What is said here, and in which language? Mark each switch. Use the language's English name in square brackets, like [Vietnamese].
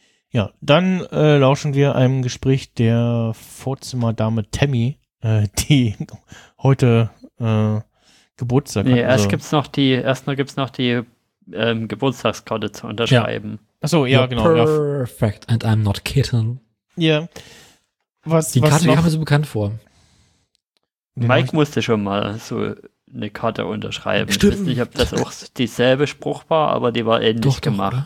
[German] Ja, dann lauschen wir einem Gespräch der Vorzimmerdame Tammy, die heute Geburtstag hat. Nee, erstmal gibt's noch die Geburtstagskarte zu unterschreiben. Ja. Achso, ja, genau. [English] Perfect, ja. And I'm not kidding. [German] Ja. Was Karte kam mir so bekannt vor. Mike musste schon mal so eine Karte unterschreiben. Stimmt. Ich weiß nicht, ob das auch dieselbe Spruch war, aber die war ähnlich gemacht.